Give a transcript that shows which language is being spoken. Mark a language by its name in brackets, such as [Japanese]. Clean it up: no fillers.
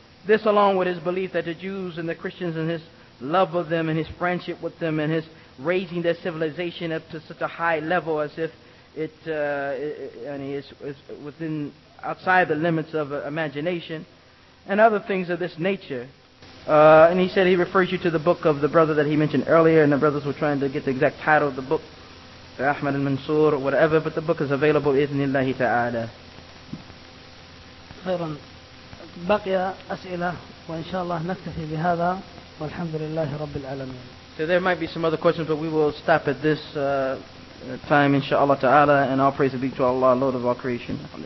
[English] This along with his belief that the Jews and the Christians and his love of them and his friendship with them and his raising their civilization up to such a high level as if it is within outside the limits of imagination and other things of this nature. And he said he refers you to the book of the brother that he mentioned earlier, and the brothers were trying to get the exact title of the book, Ahmad al-Mansur or whatever, but the book is available, idhnillahi ta'ala. [Arabic] بقي أسئلة وإن شاء الله نكتفي بهذا والحمد لله رب العالمين. [English] So there might be some other questions, but we will stop at this time inshallah ta'ala, and all praise be to Allah, Lord of all creation.